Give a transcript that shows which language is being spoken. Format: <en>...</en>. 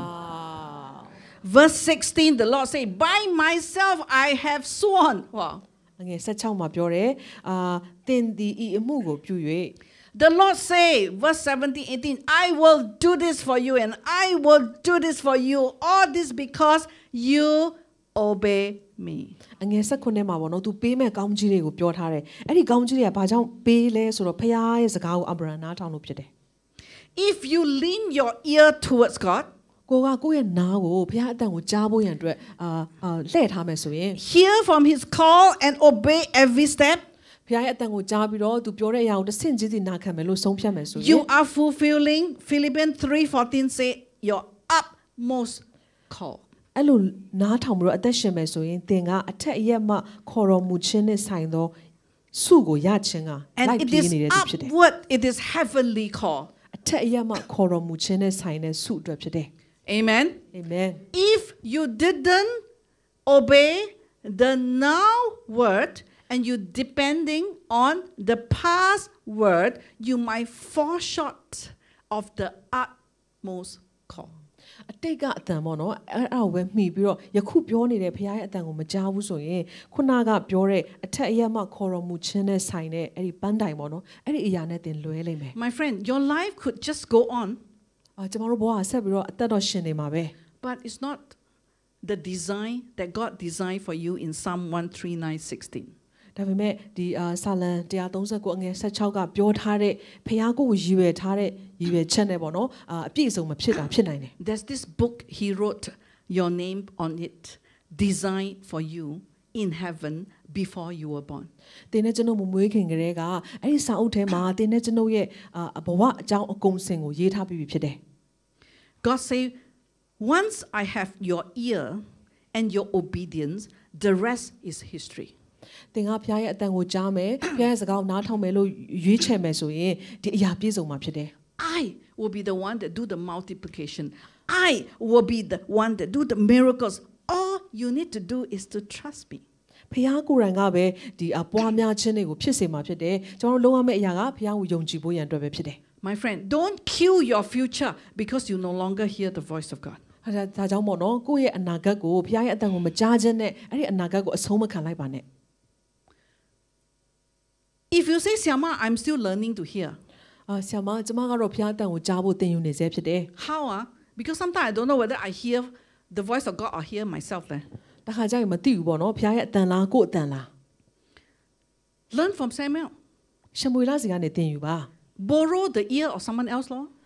<en>Verse 16 the Lord say by myself I have sworn ဝါ</en> <my>ငါ16မှာပြောတယ်အာသင်သည်ဤအမှုကိုပြု၍</my> <en>The Lord say, verse 17, 18, I will do this for you and I will do this for you. All this because you obey me.</en> <my>ငါဆက်ခွနဲ့မှာပေါ့နော်သူပေးမဲ့ကောင်းကြီးတွေကိုပြောထားတယ်အဲ့ဒီကောင်းကြီးတွေကဘာကြောင့်ပေးလဲဆိုတော့ဖခင်ရဲ့စကားကိုအဗရာနားထောင်လို့ဖြစ်တယ်</my> <en>If you lean your ear towards God</en> <my>ကိုကကိုယ့်ရဲ့နားကိုဖခင်အသံကိုကြားဖို့ရန်အတွက်လှည့်ထားမယ်ဆိုရင်</my> <en>Hear from his call and obey every step</en> <my>ဖခင်အသံကိုကြားပြီးတော့သူပြောတဲ့အရာကိုတဆင့်ချင်းစီနားခံမယ်လို့ဆုံးဖြတ်မယ်ဆိုရင်</my> <en>You are fulfilling Philippians 3:14 say your utmost call</en> <my>အဲ့လိုနားထောင်ပြီးတော့အသက်ရှင်မယ်ဆိုရင်သင်ကအထက်အရက်မှခေါ်တော်မူခြင်းနဲ့ဆိုင်သောဆုကိုရခြင်းကလိုက်ပြီးနေတဲ့သူဖြစ်တယ်</my> <en>What it is heavenly call</en> <my>အထက်အရက်မှခေါ်တော်မူခြင်းနဲ့ဆိုင်တဲ့ဆုအတွက်ဖြစ်တယ်</my> <en>Amen Amen If you didn't obey the now word And you depending on the past word, you might fall short of the utmost call.</en> <my>အတိတ်ကအတန်ပေါ့နော်အဲ့ဒါကိုပဲမှီပြီးတော့ယခုပြောနေတဲ့ဖခင်ရဲ့အတန်ကိုမကြားဘူးဆိုရင်ခုနကပြောတဲ့အထက်အရက်မှခေါ်တော်မူခြင်းနဲ့ဆိုင်တဲ့အဲ့ဒီပန်းတိုင်ပေါ့နော်အဲ့ဒီအရာနဲ့တင်လွဲလိမ့်မယ်</my> <en>My friend, your life could just go on.</en> <my>အာကျွန်တော်တို့ဘဝဆက်ပြီးတော့အသက်တော်ရှင်နေမှာပဲ</my> <en>But it's not the design that God designed for you in Psalm 139:16.</en> <my>ဒါပေမဲ့ဒီဆာလံ139အငယ်16ကပြောထားတဲ့ဖခင်ကိုရည်ွယ်ထားတဲ့ရည်ွယ်ချက်နဲ့ပေါ့နော်အပြည့်အစုံမဖြစ်တာဖြစ်နိုင်တယ်</my> <en>There's this book he wrote your name on it designed for you in heaven before you were born</en> <my>တင်းနဲ့ကျွန်ုပ်မွေးခင်ကတည်းကအဲ့ဒီစာအုပ်ထဲမှာတင်းနဲ့ကျွန်ုပ်ရဲ့ဘဝအကြောင်းအကုန်စင်ကိုရေးထားပြီးဖြစ်တယ်</my> <en>God say once I have your ear and your obedience the rest is history</en> <my>သင်ကဖခင်ရဲ့အတန်ကိုကြားမယ်ဖခင်ရဲ့စကားကိုနားထောင်မယ်လို့ရွေးချယ်မယ်ဆိုရင်ဒီအရာပြည့်စုံမှာဖြစ်တယ်</my> <en>I will be the one that do the multiplication I will be the one that do the miracles all you need to do is to trust me</en> <my>ဖခင်ကိုယ်တိုင်ကပဲဒီအပွားများခြင်းတွေကိုဖြစ်စေမှာဖြစ်တယ်ကျွန်တော်လုံးဝမဲ့အရာကဖခင်ကိုယုံကြည်ဖို့ရန်အတွက်ပဲဖြစ်တယ်</my> <en>My friend don't kill your future because you no longer hear the voice of God</en> <my>ဒါကြောင့်ပေါ့နော်ကိုယ့်ရဲ့အနာဂတ်ကိုဖခင်ရဲ့အတန်ကိုမကြားခြင်းနဲ့အဲ့ဒီအနာဂတ်ကိုအဆုံးမခံလိုက်ပါနဲ့</my> <en>If you say Siama, I'm still learning to hear.</en> <my>Siama, ကျွန်မကတော့ဘုရားအသံကိုကြားဖို့သင်ယူနေဆဲဖြစ်တယ်.</my> <en>How ah? Because sometimes I don't know whether I hear the voice of God or hear myself then.</en> <my>တခါကြောင်မသိဘူးပေါ့နော်ဘုရားရဲ့အသံလားကိုယ့်အသံလား.</my> <en>Learn from Samuel.</en> <my>ရှမွေလစီကနေသင်ယူပါ.</my> <en>Borrow the ear of someone else lor.</en>